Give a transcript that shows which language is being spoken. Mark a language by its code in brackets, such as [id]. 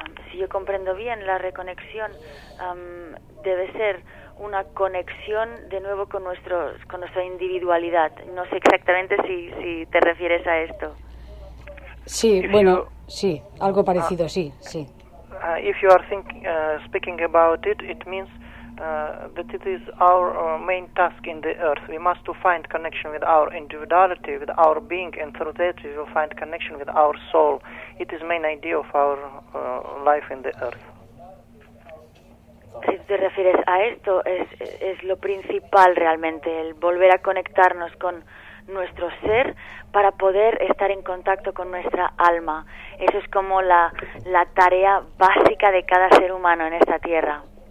[es] Si yo comprendo bien, la reconexión debe ser una conexión de nuevo con nuestra individualidad. No sé exactamente si te refieres a esto. Sí, if bueno, you, sí, algo parecido, sí, sí. [en] If you are speaking about it, it means that it is our main task in the earth. We must to find connection with our individuality, with our being, and through that we will find connection with our soul. It is main idea of our life in the earth. [es] Si te refieres a esto, es lo principal realmente, el volver a conectarnos con nuestro ser para poder estar en contacto con nuestra alma. Eso es como la tarea básica de cada ser humano en esta tierra.